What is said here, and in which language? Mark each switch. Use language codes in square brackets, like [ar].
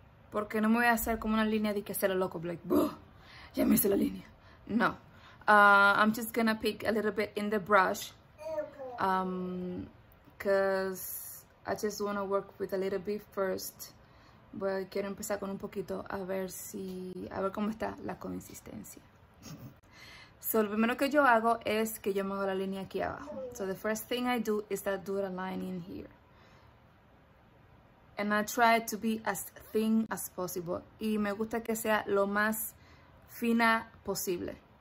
[es] Porque no me voy a hacer como una línea de que sea loco, like, ¡buh! Ya me hice la línea. No. [en] I'm just gonna pick a little bit in the brush. Because I just wanna work with a little bit first. [es] Voy a, quiero empezar con un poquito a ver cómo está la consistencia. So, lo primero que yo hago es que yo me hago la línea aquí abajo. [en] So, the first thing I do is that do a line in here. And I try to be as thin as possible. [es] Y me gusta que sea lo más fina posible.